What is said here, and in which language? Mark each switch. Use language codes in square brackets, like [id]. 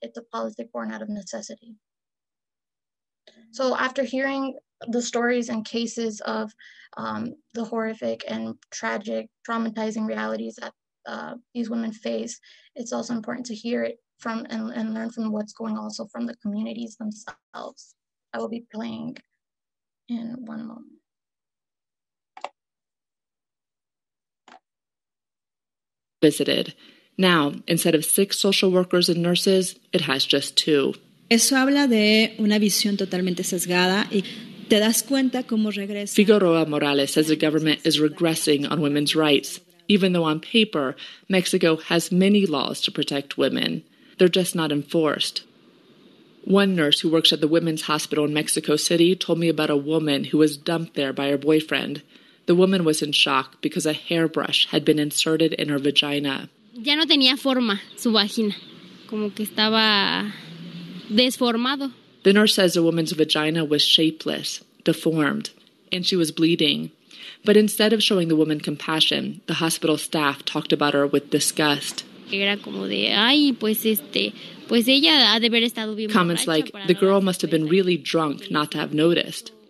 [en] It's a politic born out of necessity. So after hearing the stories and cases of the horrific and tragic, traumatizing realities that these women face, it's also important to hear it from and learn from what's going also from the communities themselves. I will be playing in one moment. Visited. Now, instead of 6 social workers and nurses, it has just 2. [es] Eso habla de una visión totalmente sesgada y te das cuenta cómo regresa. [en] Figueroa Morales says the government is regressing on women's rights, even though on paper, Mexico has many laws to protect women. They're just not enforced. One nurse who works at the women's hospital in Mexico City told me about a woman who was dumped there by her boyfriend. The woman was in shock because a hairbrush had been inserted in her vagina. [es] Ya no tenía forma su vagina, como que estaba desformado. [en] The nurse says the woman's vagina was shapeless, deformed, and she was bleeding. But instead of showing the woman compassion, the hospital staff talked about her with disgust. Comments like, the girl must have been really drunk not to have noticed.